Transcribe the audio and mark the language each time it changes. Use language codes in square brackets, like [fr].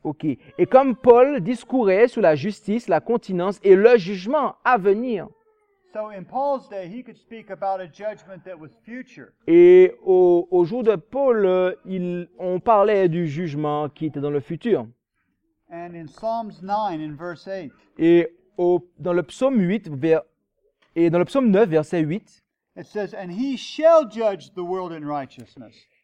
[fr] Okay. Et comme Paul discourait sur la justice, la continence et le jugement à venir. [en] So in Paul's day, he could speak about a judgment that was future. [fr] Et au jour de Paul, on parlait du jugement qui était dans le futur. [en] And in Psalms 9, in verse 8. [fr] Et dans le psaume 8, et dans le psaume 9, verset 8. [en] It says, and he shall judge the world in righteousness.